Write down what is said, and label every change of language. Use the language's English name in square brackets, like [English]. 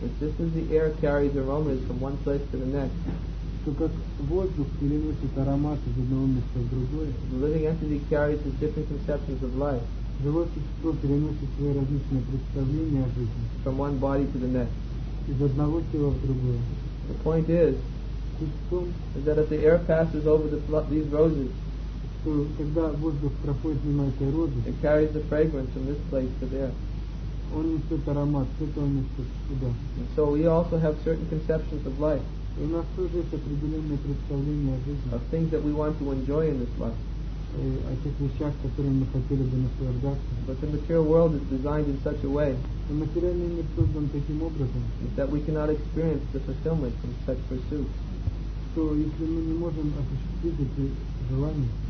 [English] Just as the air carries aromas from one place to the next, [Russian] то как воздух переносит ароматы из одного места в другое. [English] The living entity carries its different conceptions of life. [Russian] Живое существо переносит свои различные представления о жизни. [English] From one body to the next. [Russian] Из одного тела в другое. [English] The point is, that if the air passes over these roses, [Russian] когда воздух проходит мимо этой розы, [English] it carries the fragrance from this place to there. [Russian] Он несет аромат с этого места сюда. [English] And so we also have certain conceptions of life. [Russian] И у нас тоже есть определенные представления о жизни. [English] Of things that we want to enjoy in this life. [Russian] О тех вещах, которые мы хотели бы наслаждаться. [English] But the material world is designed in such a way, [Russian] и материальный мир создан таким образом, [English] that we cannot experience the fulfillment from such pursuits. [Russian] Что если мы не можем осуществить эти желания,